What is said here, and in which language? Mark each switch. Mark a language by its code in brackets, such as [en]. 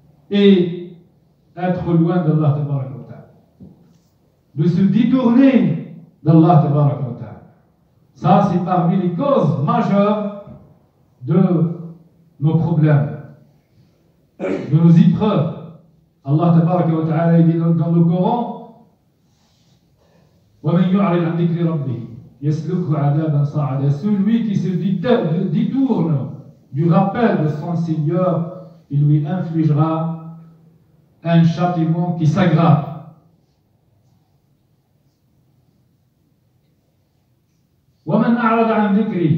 [fr] et être loin d'Allah Tabarak wa Ta'ala, de se détourner d'Allah Tabarak wa Ta'ala, ça c'est parmi les causes majeures de nos problèmes, de nos épreuves. Allah Tabarak wa Ta'ala dit dans le Coran, [ar] وَمَنْ يُعْرِضْ عَنْ ذِكْرِ رَبِّهِ يَسْلُكْهُ عَذَابًا صَعَدًا. [fr] Celui qui se détourne du rappel de son Seigneur, il lui infligera un châtiment qui s'aggrave. [ar] وَمَنْ أَعْرَضَ عَنْ ذِكْرِ.